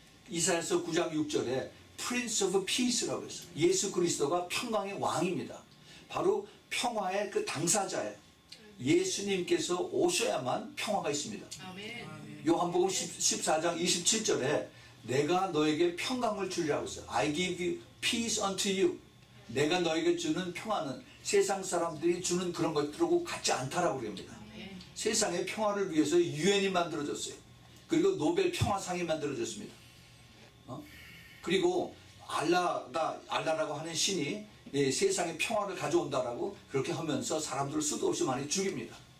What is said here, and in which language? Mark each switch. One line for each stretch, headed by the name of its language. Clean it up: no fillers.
Korean: 이사야서 9장 6절에 Prince of Peace라고 했어요. 예수 그리스도가 평강의 왕입니다. 바로 평화의 그 당사자예요. 예수님께서 오셔야만 평화가 있습니다. 요한복음 14장 27절에 내가 너에게 평강을 주리라고 했어요.
English: I give you peace unto you.
Korean: 내가 너에게 주는 평화는 세상 사람들이 주는 그런 것들하고 같지 않다라고 그럽니다. 세상의 평화를 위해서 UN이 만들어졌어요. 그리고 노벨 평화상이 만들어졌습니다. 그리고 알라라고 하는 신이 세상의 평화를 가져온다라고 그렇게 하면서 사람들을 수도 없이 많이 죽입니다.